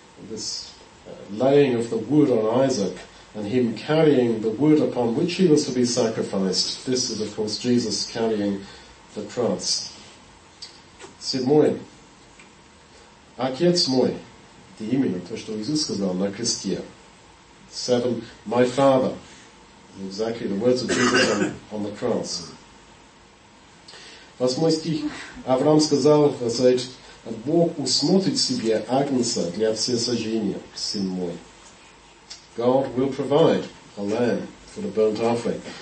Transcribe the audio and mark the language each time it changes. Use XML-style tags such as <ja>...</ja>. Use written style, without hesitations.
<en>This laying of the wood on Isaac and him carrying the wood upon which he was to be sacrificed. This is, of course, Jesus carrying the cross.</en> <ru>Седьмое. Отец мой, это именно то, что Иисус сказал на кресте.</ru> <en>Seven, my father. Exactly the words of Jesus on the cross.</en> <ru>8 стих. Авраам сказал, говорит, Бог усмотрит себе агнца для всесожжения, сын мой.</ru> <en>God will provide a lamb for the burnt offering.</en>